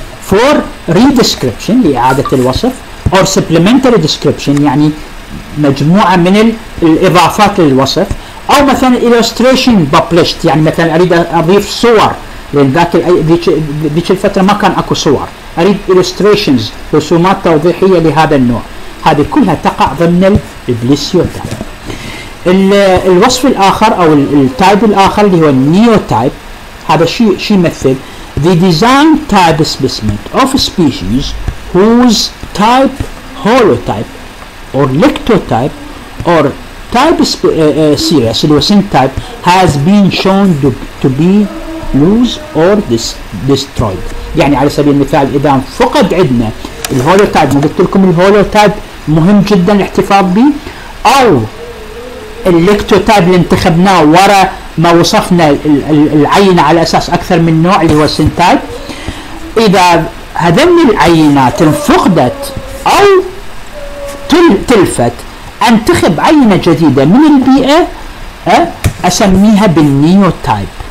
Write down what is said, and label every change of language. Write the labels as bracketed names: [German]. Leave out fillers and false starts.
[Arabic] for ريديسكريبشن لإعادة الوصف, or [English] supplementary description [Arabic] يعني مجموعة من الإضافات للوصف, أو مثلا [English] illustration published [Arabic] يعني مثلا أريد أضيف صور, لأن ذيك الفترة ما كان أكو صور, أريد [English] illustrations, [Arabic] رسومات توضيحية لهذا النوع, هذه كلها تقع ضمن البليسيوتايب. الوصف الآخر أو التايب الآخر اللي هو النيوتايب, هذا شيء يمثل [English] the design type specimen of a species whose type holotype or lectotype or type series [Arabic] اللي هو [English] syntype has been shown to be lose or destroyed. [Arabic] يعني على سبيل المثال اذا فقد عندنا الهولوتايب, ما قلت لكم الهولوتايب مهم جدا الاحتفاظ به, او اللكتوتايب اللي انتخبناه ورا ما وصفنا العينة على اساس اكثر من نوع اللي هو syntype, اذا هذن العينات انفقدت أو تلفت, انتخب عينة جديدة من البيئة أسميها بالنيوتايب.